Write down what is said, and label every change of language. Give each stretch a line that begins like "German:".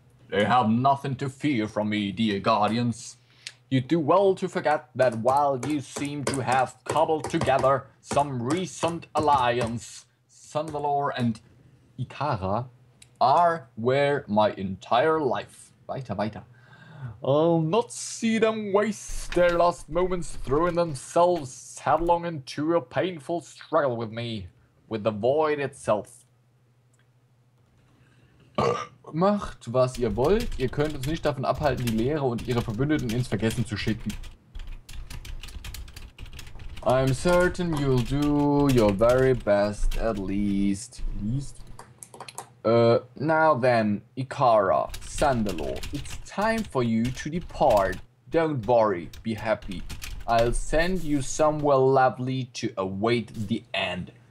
English: They have nothing to fear from me, dear guardians. You do well to forget that while you seem to have cobbled together some recent alliance, Sandalore and Ikara are where my entire life.
German: Weiter, weiter.
English: I'll not see them waste their last moments throwing themselves headlong into a painful struggle with me, with the void itself.
German: Macht, was ihr wollt. Ihr könnt uns nicht davon abhalten, die Leere und ihre Verbündeten ins Vergessen zu schicken.
English: I'm certain you'll do your very best at least. Now then, Ikara, Sandalore, it's time for you to depart. Don't worry, be happy. I'll send you somewhere lovely to await the end.